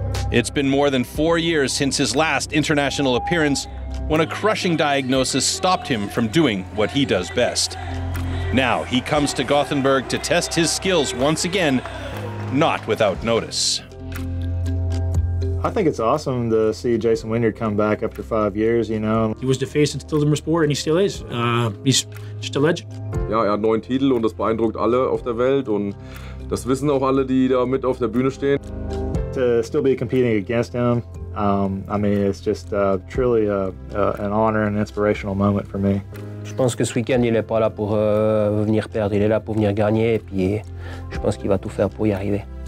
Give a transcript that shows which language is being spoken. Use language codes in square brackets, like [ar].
[en] It's been more than 4 years since his last international appearance when a crushing diagnosis stopped him from doing what he does best. Now he comes to Gothenburg to test his skills once again, not without notice. I think it's awesome to see Jason Wynyard come back after 5 years, you know. He was the face of STIHL TIMBERSPORTS, and he still is. He's just a legend. [de] Ja, er hat einen neuen Titel und das beeindruckt alle auf der Welt und das wissen auch alle, die da mit auf der Bühne stehen. [en] To still be competing against him, I mean, it's just truly an honor and inspirational moment for me. [fr] Je pense que ce week-end, il n'est pas là pour venir perdre, il est là pour venir gagner, et puis je pense qu'il va tout faire pour y arriver.